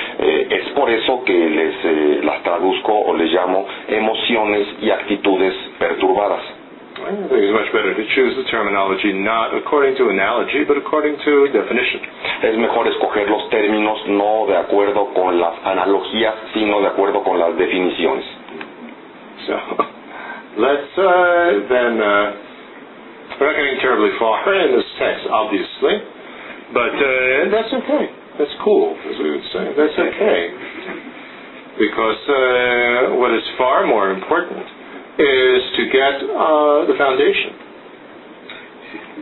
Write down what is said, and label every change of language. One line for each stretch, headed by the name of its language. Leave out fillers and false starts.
Spanish: Es por eso que les las traduzco o les llamo emociones y actitudes perturbadas.
English: I think it's much better to choose the terminology not according to analogy, but according to definition.
Spanish: Es mejor escoger los términos no de acuerdo con las analogías, sino de acuerdo con las definiciones.
English: So, let's then, we're not getting terribly far in this text, obviously, but that's okay. That's cool, as we would say. That's okay. Because what is far more important is to get the foundation.